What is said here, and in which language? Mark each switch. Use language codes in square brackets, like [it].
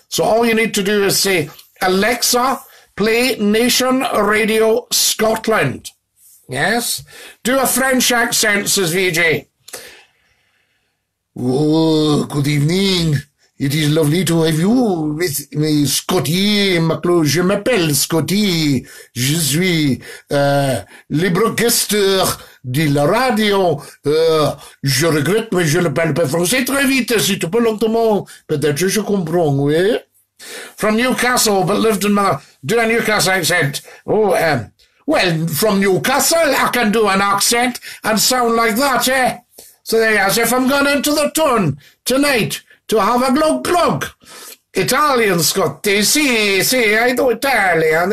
[en] So all you need to do is say, Alexa, play Nation Radio Scotland. Yes? Do a French accent, says VJ. Oh, good evening. It is lovely to have you with me, Scottie McClue. [fr] Je m'appelle Scottie. Je suis le broadcaster de la radio. Je regrette, mais je ne parle pas français très vite, si tu peux lentement. Peut-être je comprends, oui. [en] From Newcastle, but lived in do a Newcastle accent. Oh, well, from Newcastle, I can do an accent and sound like that, eh? So there you are. So if I'm going into the town tonight to have a glug-glug. Italian, Scotty. [it] Si, si, [en] I do Italian.